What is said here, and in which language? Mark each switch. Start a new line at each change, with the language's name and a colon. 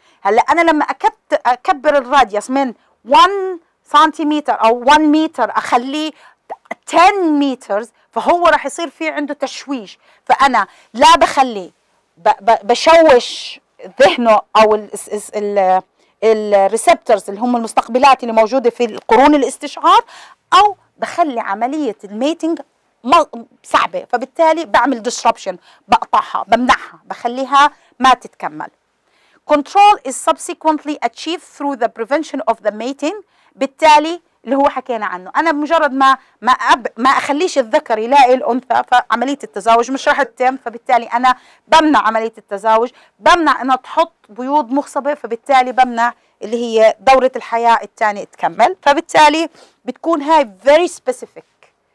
Arabic: هلأ أنا لما أكبر الراديوس من 1 سنتيمتر أو 1 متر أخليه 10 متر فهو رح يصير فيه عنده تشويش، فأنا لا بخلي بشوش ذهنه أو الريسبترز اللي هم المستقبلات اللي موجودة في قرون الاستشعار، أو بخلي عملية الميتنج صعبة، فبالتالي بعمل disruption بقطعها بمنعها بخليها ما تتكمل.
English: Control is subsequently achieved through the prevention of the mating.
Arabic: بالتالي اللي هو حكينا عنه، أنا بمجرد ما أخليش الذكر يلاقي الأنثى فعملية التزاوج مش راح تتم، فبالتالي أنا بمنع عملية التزاوج، بمنع أنها تحط بيوض مخصبة، فبالتالي بمنع اللي هي دورة الحياة الثانية تكمل، فبالتالي بتكون هاي
English: very specific.